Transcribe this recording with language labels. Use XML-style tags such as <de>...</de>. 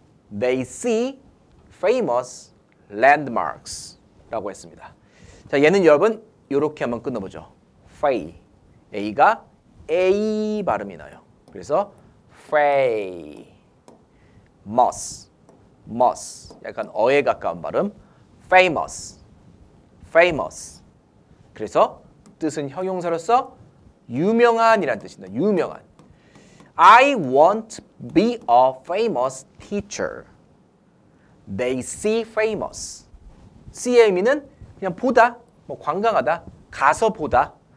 <en>They see famous landmarks</en> <ko>라고 했습니다. 자, 얘는 여러분 이렇게 한번 끊어보죠. Fay. A가 A 발음이 나요. 그래서 Fay. Mus. Mus. 약간 어에 가까운 발음. Famous. Famous. 그래서 뜻은 형용사로서 유명한 이란 뜻입니다. 유명한.</ko> <en>I want to be a famous teacher. They see famous.</en> <ko>CME는 그냥 보다, 뭐 관광하다, 가서 보다.</ko>